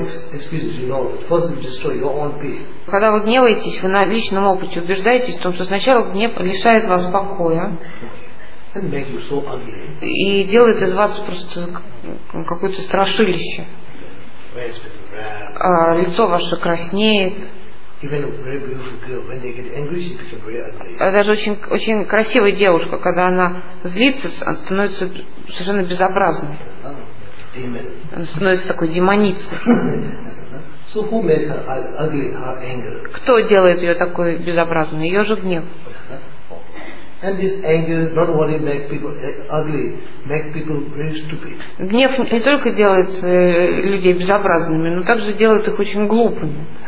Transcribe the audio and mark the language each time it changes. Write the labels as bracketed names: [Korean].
[Russian] Когда вы гневаетесь, вы на личном опыте убеждаетесь в том, что сначала гнев лишает вас покоя и делает из вас просто какое-то страшилище. Лицо ваше краснеет. [English] Even a very beautiful girl, when they get angry, she becomes very ugly. [Russian] Даже очень красивая девушка, когда она злится, она становится совершенно безобразной. [English] Demon. [Russian] Она становится такой демоницей. [English] So who made her ugly, her anger? [Russian] Кто делает ее такой безобразной? Ее же гнев. [English] And this anger, not only make people ugly, make people very stupid. [Russian] Гнев не только делает людей безобразными, но также делает их очень глупыми.